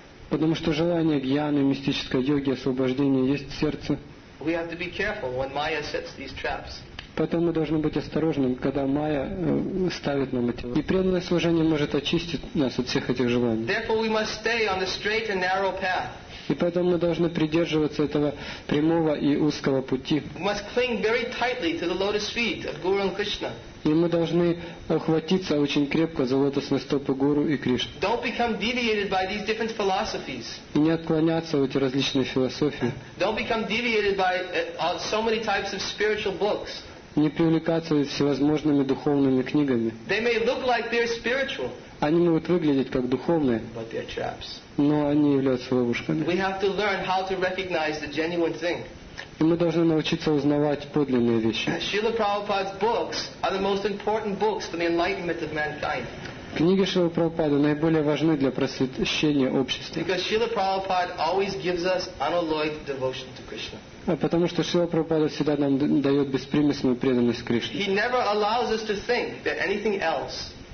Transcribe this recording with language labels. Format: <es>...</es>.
<ru>Потому что желание гьяны, мистической йоги, освобождения есть в сердце.</ru> <en>We have to be careful when Maya sets these traps.</en> <ru>Поэтому мы должны быть осторожными, когда Майя ставит нам эти ловушки. И преданное служение может очистить нас от всех этих желаний.</ru> <en>Therefore, we must stay on the straight and narrow path.</en> <ru>И поэтому мы должны придерживаться этого прямого и узкого пути.</ru> <en>We must cling very tightly to the lotus feet of Guru and Krishna.</en> <ru>И мы должны ухватиться очень крепко за лотосные стопы Гуру и Кришны.</ru> <en>Don't become deviated by these different philosophies.</en> <ru>И не отклоняться в эти различные философии.</ru> <en>Don't become deviated by so many types of spiritual books.</en> <ru>Не привлекаться всевозможными духовными книгами.</ru> <en>They may look like they're spiritual.</en> <ru>Они могут выглядеть как духовные, но они являются ловушками.</ru> <en>We have to learn how to recognize the genuine thing.</en> <ru>И мы должны научиться узнавать подлинные вещи.</ru> <en>Srila Prabhupada's books are the most important books for the enlightenment of mankind.</en> <ru>Книги Шрилы Прабхупады наиболее важны для просвещения общества.</ru> <en>Because Srila Prabhupada always gives us unalloyed devotion to Krishna.</en> <ru>А потому что Шрила Прабхупада всегда нам дает беспримесную преданность Кришне.</ru> <en>He never allows us to think that anything else.</en>